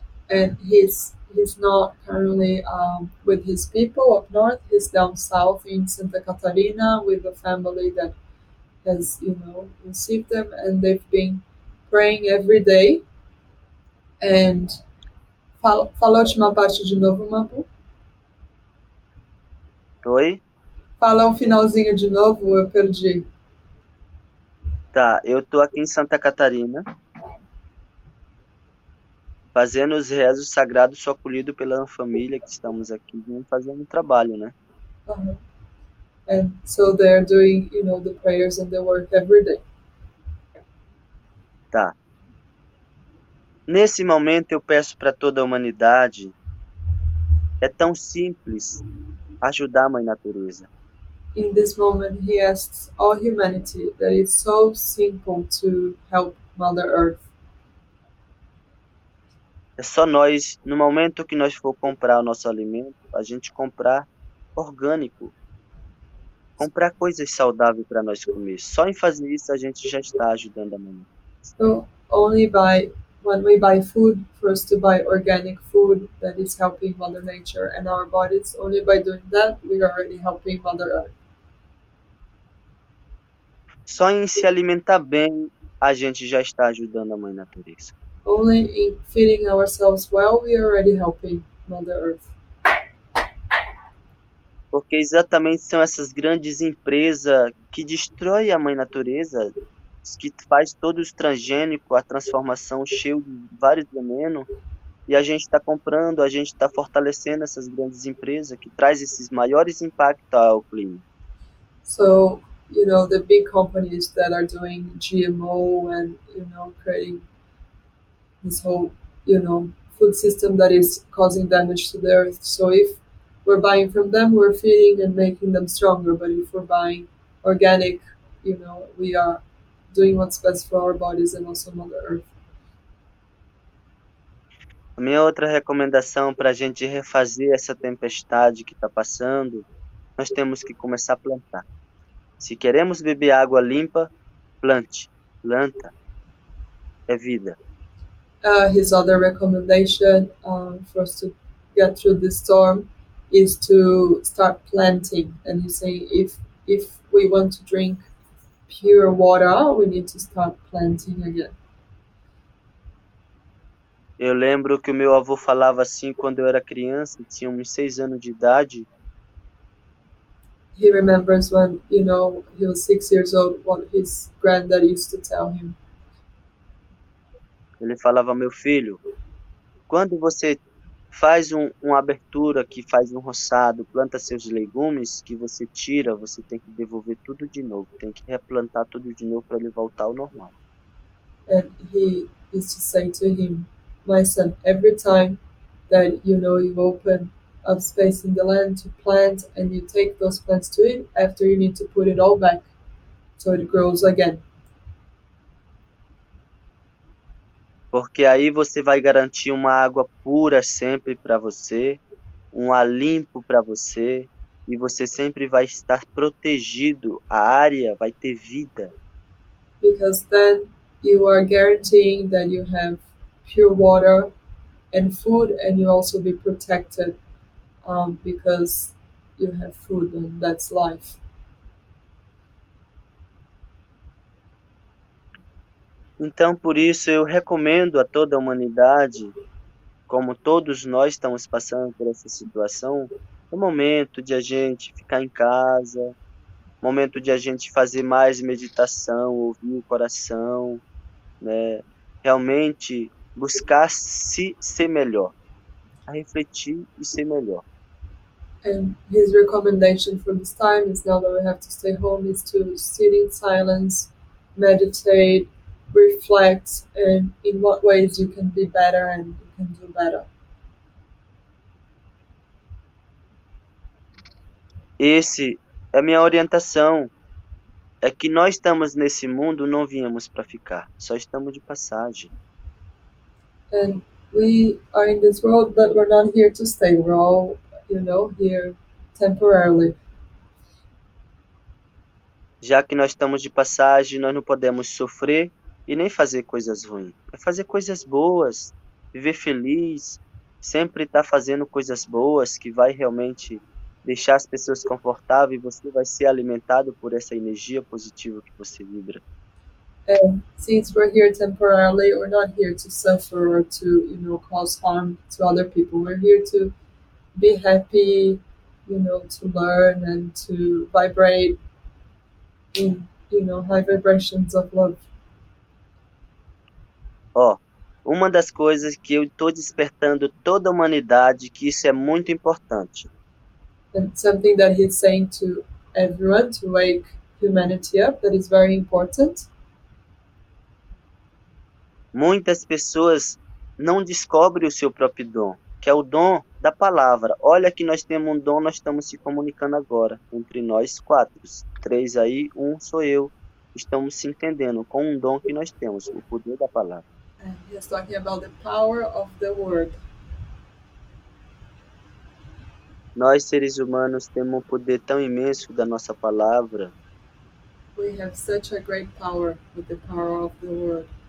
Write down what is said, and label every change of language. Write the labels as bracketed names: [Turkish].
[English] And he's not currently with his people up north, he's down south in Santa Catarina with a family that has, you know, received them, and they've been praying every day. [Portuguese] And fala a última parte de novo, Mapu. Oi? Fala um finalzinho de novo, eu perdi. Tá, eu tô aqui em Santa Catarina, fazendo os rezos sagrados, sou acolhido pela família que estamos aqui, fazendo o trabalho, né? [English] And so they're doing, you know, the prayers and the work every day. [Portuguese] Tá. Nesse momento eu peço para toda a humanidade, é tão simples ajudar a Mãe Natureza. [English] In this moment he asks all humanity that it's so simple to help Mother Earth. [Portuguese] É só nós, no momento que nós for comprar o nosso alimento, a gente comprar orgânico. Comprar coisas saudáveis para nós comer. Só em fazer isso a gente já está ajudando a mãe. [English] So only by when we buy food, for us to buy organic food that is helping Mother Nature and our bodies, only by doing that we are already helping Mother Earth. [Portuguese] Só em se alimentar bem a gente já está ajudando a Mãe Natureza. [English] Only in feeding ourselves well we are already helping Mother Earth. [Portuguese] Porque exatamente são essas grandes empresas que destroem a Mãe Natureza, que faz todo o transgênico, a transformação cheio de vários venenos, e a gente está comprando, a gente está fortalecendo essas grandes empresas que traz esses maiores impactos ao clima. [English] So, you know, the big companies that are doing GMO and, you know, creating this whole, you know, food system that is causing damage to the earth. So if we're buying from them, we're feeding and making them stronger. But if we're buying organic, you know, we are doing what's best for our bodies and also Mother Earth. [Portuguese] A minha outra recomendação para a gente refazer essa tempestade que está passando, nós temos que começar a plantar. Se queremos beber água limpa, plante. Planta é vida. [English] His other recommendation for us to get through this storm is to start planting. And he's saying if we want to drink pure water, we need to start planting again. [Portuguese] Eu lembro que o meu avô falava assim quando eu era criança, tinha uns 6 anos de idade. [English] He remembers when, you know, he was 6 years old, what his granddad used to tell him. [Portuguese] Ele falava, meu filho, quando você faz uma abertura, que faz um roçado, planta seus legumes, que você tira, você tem que devolver tudo de novo, tem que replantar tudo de novo para ele voltar ao normal. [English] And he used to say to him, my son, every time that, you know, you open up space in the land to plant and you take those plants to it, after you need to put it all back so it grows again. [Portuguese] Porque aí você vai garantir uma água pura sempre para você, um ar limpo para você, e você sempre vai estar protegido, a área vai ter vida. [English] Because then you are guaranteeing that you have pure water and food, and you also be protected because you have food and that's life. [Portuguese] Então, por isso, eu recomendo a toda a humanidade, como todos nós estamos passando por essa situação, é o momento de a gente ficar em casa, momento de a gente fazer mais meditação, ouvir o coração, né? Realmente buscar se ser melhor. a refletir e ser melhor. [English] And his recommendation for this time is now that we have to stay home is to sit in silence, meditate, reflect, and in what ways you can be better and you can do better. [Portuguese] Esse é a minha orientação. É que nós estamos nesse mundo, não viemos para ficar, só estamos de passagem. [English] And we are in this world, but we're not here to stay. We're all, here temporarily. [Portuguese] Já que nós estamos de passagem, nós não podemos sofrer e nem fazer coisas ruins. É fazer coisas boas, viver feliz, sempre estar fazendo coisas boas que vai realmente deixar as pessoas confortáveis e você vai ser alimentado por essa energia positiva que você vibra. [English] And since we're here temporarily, we're not here to suffer or to, cause harm to other people. We're here to be happy, to learn and to vibrate in, high vibrations of love. [Portuguese] Ó, uma das coisas que eu estou despertando toda a humanidade, que isso é muito importante. [English] And something that he's saying to everyone to wake humanity up, that is very important. [Portuguese] Muitas pessoas não descobrem o seu próprio dom, que é o dom da palavra. Olha que nós temos um dom, nós estamos se comunicando agora, entre nós quatro. Três aí, um sou eu. Estamos se entendendo com um dom que nós temos, o poder da palavra. [English] He's talking about the power of the word. [Portuguese] Nós, seres humanos, temos um poder tão imenso da nossa palavra. [English] We have such a great power with the power of the word.